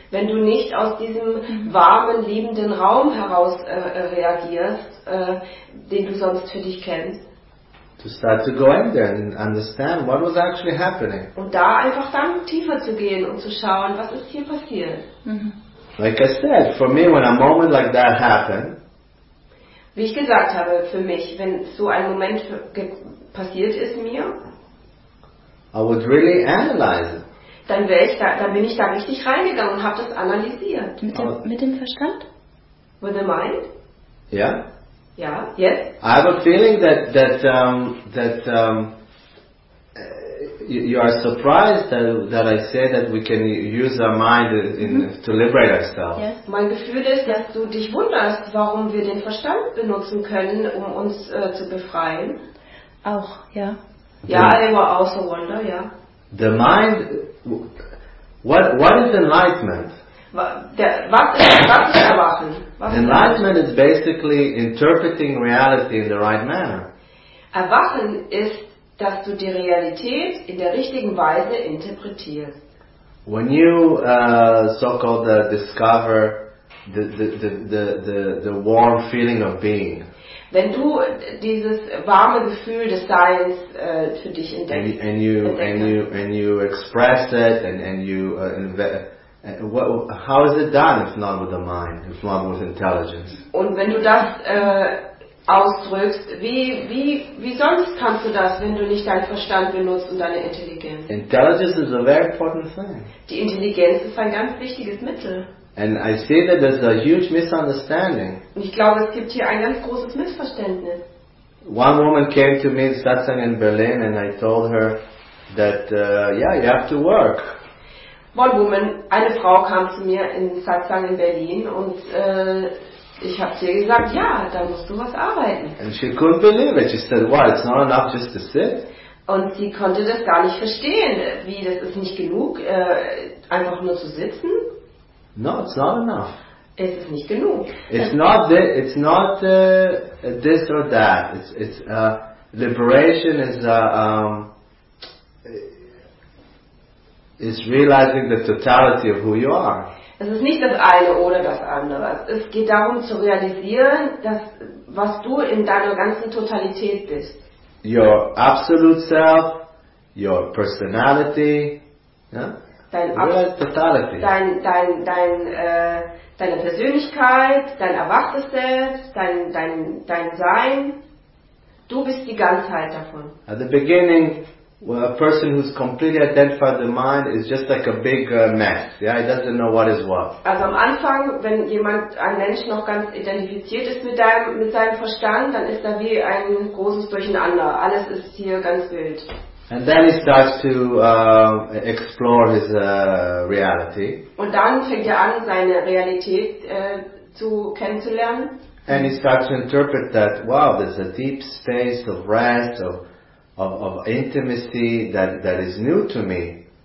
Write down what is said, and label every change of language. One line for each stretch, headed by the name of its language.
German: Wenn du nicht aus diesem warmen, liebenden Raum heraus reagierst, den du sonst für dich kennst.
English: To start to go in there and understand what was actually happening.
German: Und da einfach dann tiefer zu gehen und zu schauen, was ist hier passiert.
English: Like I said, for me, when a moment like that happened.
German: Wie ich gesagt habe, für mich, wenn so ein Moment passiert ist mir.
English: I would really analyze it.
German: Dann bin ich da richtig reingegangen und habe das analysiert. Mit dem Verstand?
English: With the mind?
German: Ja. Ja, yes.
English: I have a feeling that you are surprised that I say that we can use our mind to liberate ourselves. Yes.
German: Mein Gefühl ist, dass du dich wunderst, warum wir den Verstand benutzen können, um uns zu befreien. Auch, ja.
English: Ja, I were also wonder, ja. The mind, what is enlightenment?
German: Was ist Erwachen?
English: Enlightenment is basically interpreting reality in the right manner.
German: Erwachen ist, dass du die Realität in der richtigen Weise interpretierst.
English: When you so-called discover the warm feeling of being.
German: Wenn du dieses warme Gefühl des Seins für dich entdeckst,
English: and you express it how is it done if not with the mind, if not with intelligence?
German: Und wenn du das ausdrückst, wie sonst kannst du das, wenn du nicht deinen Verstand benutzt und deine Intelligenz?
English: Intelligence is a very important thing.
German: Die Intelligenz ist ein ganz wichtiges Mittel.
English: And I see that there's a huge misunderstanding.
German: Ich glaube, es gibt hier ein ganz großes Missverständnis.
English: One woman came to me in Satsang in Berlin and I told her that, you have to work. One woman,
German: eine Frau kam zu mir in Satsang in Berlin und ich habe ihr gesagt, ja, da musst du was arbeiten.
English: And she couldn't believe it. She said, well, it's not enough just to sit.
German: Und sie konnte das gar nicht verstehen, wie das ist nicht genug, einfach nur zu sitzen.
English: No, it's not enough.
German: Es ist nicht genug.
English: It's not this or that. It's liberation is is realizing the totality of who you are.
German: Es ist nicht das eine oder das andere. Es geht darum zu realisieren, dass was du in deiner ganzen Totalität bist.
English: Your absolute self, your personality,
German: deine Persönlichkeit, dein erwachtes Selbst, dein Sein. Du bist die Ganzheit davon.
English: At the beginning, well, a person who's completely identified with the mind is just like a big mess. Yeah, he doesn't know what is what.
German: Also am Anfang, wenn jemand, ein Mensch noch ganz identifiziert ist mit seinem Verstand, dann ist er wie ein großes Durcheinander. Alles ist hier ganz wild.
English: And then he starts to explore his reality.
German: Und dann fängt an, seine Realität zu kennenzulernen.
English: And he starts to interpret that, wow, there's a deep space of rest, of intimacy that is new to me.